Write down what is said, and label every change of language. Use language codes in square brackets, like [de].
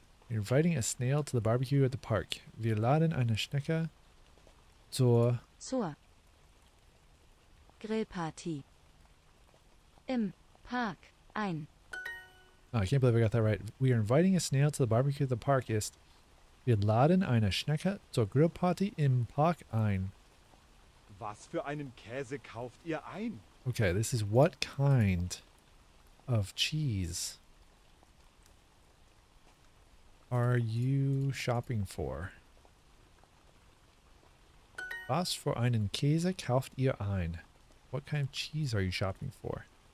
[en] You're inviting a snail to the barbecue at the park. [de] Wir laden eine Schnecke zur Grillparty im Park ein. [en] Oh, I can't believe I got that right. We are inviting a snail to the barbecue at the park. [de] Ist wir laden eine Schnecke zur Grillparty im Park ein. Was für einen Käse kauft ihr ein? [en] Okay, this is what kind of cheese are you shopping for? [de] Was für einen Käse kauft ihr ein? [en] What kind of cheese are you shopping for?